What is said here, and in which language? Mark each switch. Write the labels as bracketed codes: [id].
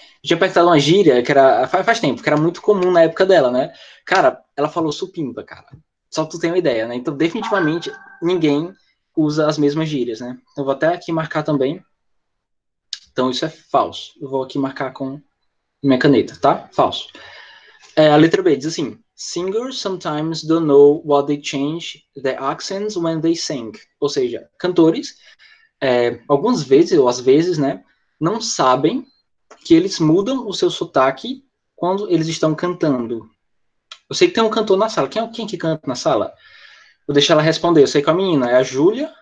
[pt] Tinha perguntado uma gíria, que era faz tempo, que era muito comum na época dela, né? Cara, ela falou supimba, cara. Só que tu tem uma ideia, né? Então, definitivamente, ninguém usa as mesmas gírias, né? Eu vou até aqui marcar também. Então, isso é falso. Eu vou aqui marcar com minha caneta, tá? Falso. É, a letra B diz assim: [en] Singers sometimes don't know what they change their accents when they sing. [pt] Ou seja, cantores, algumas vezes, ou às vezes, né, não sabem que eles mudam o seu sotaque quando eles estão cantando. Eu sei que tem um cantor na sala. Quem que canta na sala? Vou deixar ela responder. Eu sei que a menina é a Júlia.